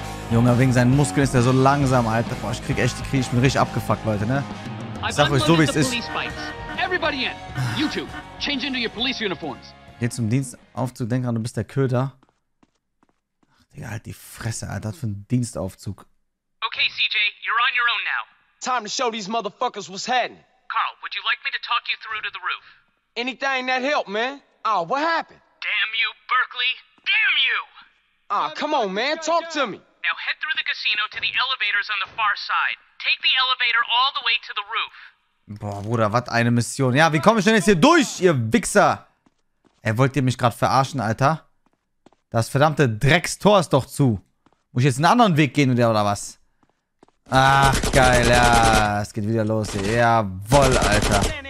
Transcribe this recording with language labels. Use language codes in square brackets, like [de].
[de] Junge, wegen seinen Muskeln ist er so langsam, Alter. Boah, ich krieg echt die Krise. Ich bin richtig abgefuckt, Leute, ne? Ich sag euch so, wie es ist. [en] Everybody in. You two, change into your police uniforms. [de] Geh zum Dienstaufzug. Denk dran, du bist der Köter. Digga, halt die Fresse, Alter, für einen Dienstaufzug. [en] Okay, CJ, you're on your own now. Time to show these motherfuckers what's happening. Carl, would you like me to talk you through to the roof? Anything that helped, man. Oh, what happened? Damn you, Berkeley. Damn you! Ah, come on, man, talk to me. Now head through the casino to the elevators on the far side. Take the elevator all the way to the roof. [de] Boah, Bruder, was eine Mission. Ja, wie komme ich denn jetzt hier durch, ihr Wichser? Ey, wollt ihr mich gerade verarschen, Alter? Das verdammte Dreckstor ist doch zu. Muss ich jetzt einen anderen Weg gehen oder was? Ach, geil, ja. Es geht wieder los. Jawoll, Alter.